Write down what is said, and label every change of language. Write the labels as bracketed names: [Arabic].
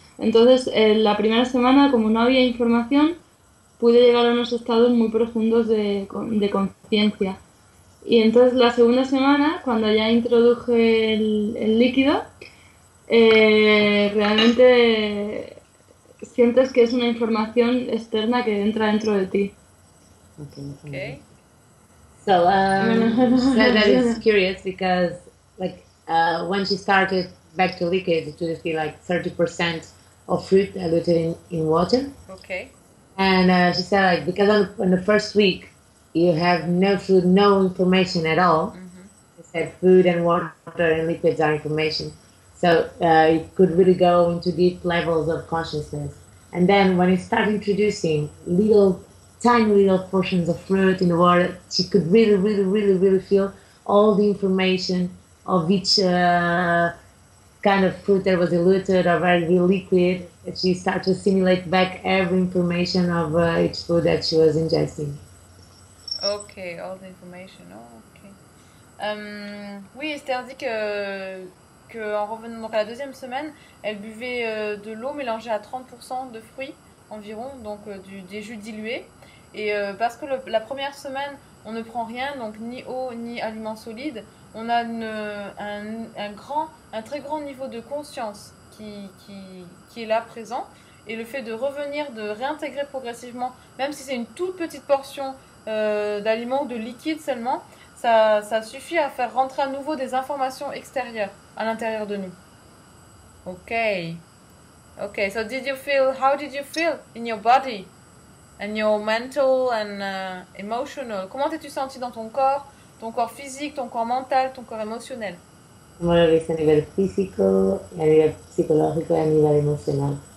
[Spanish] Entonces, la primera semana, como no había información, pude llegar a unos estados muy profundos de conciencia. Y entonces, la segunda semana, cuando ya introduje el líquido, realmente sientes que es una información externa que entra dentro de ti. [English] Okay. So, that is curious because, like, when she started back to liquid, it would be like 30% of fruit diluted in water. Okay. And she said, like, because in the first week you have no food, no information at all. Mm-hmm. She said food and water and liquids are information. So you could really go into deep levels of consciousness. And then when you start introducing little, tiny little portions of fruit in the water, she could really, really, really, really feel all the information of each kind of food that was diluted or very liquid, and she started to assimilate back every information of each food that she was ingesting. Okay, all the information. Oh, okay. [French] Oui, Esther dit que en revenant donc à la deuxième semaine, elle buvait de l'eau mélangée à 30% de fruits environ, donc des jus dilués. Et parce que la première semaine, on ne prend rien, donc ni eau ni aliments solides. On a un très grand niveau de conscience qui est là présent, et le fait de revenir, de réintégrer progressivement, même si c'est une toute petite portion d'aliments ou de liquide seulement, ça suffit à faire rentrer à nouveau des informations extérieures à l'intérieur de nous. [English] Ok, so how did you feel in your body and your mental and emotional? [French] Comment t'es-tu senti dans ton corps? Ton corps physique, ton corps mental, ton corps émotionnel. Comment le vis-tu à niveau physique, à niveau psychologique et à niveau émotionnel?